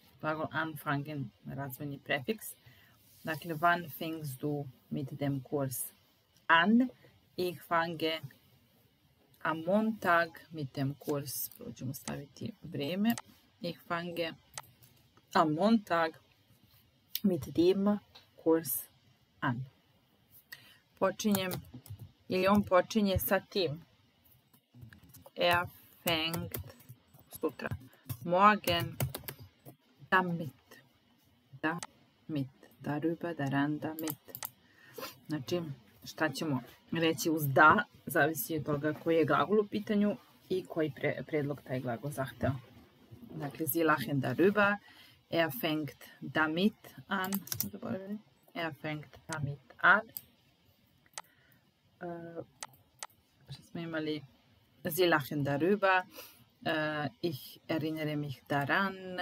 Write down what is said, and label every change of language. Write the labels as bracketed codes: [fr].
[de] Dakle, anfangen, [sr] razvojni prefiks. [de] Dakle, wann fängst du mit dem Kurs an? Ich fange am Montag mit dem Kurs. [sr] Prođemo staviti vreme. [de] Ich fange am Montag mit dem Kurs an. [sr] Počinjem, ili on počinje sa tim. [de] Er fängt sutra. Morgen damit. Damit. Darüber, daran, damit. [sr] Znači, šta ćemo reći uz da, zavisi od toga koji je glagol u pitanju i koji predlog taj glagol zahteo. [de] Dakle, sie lachen darüber. Er fängt damit an. Er fängt damit an. [sr] Šta smo imali? [de] Sie lachen darüber. Ich erinnere mich daran.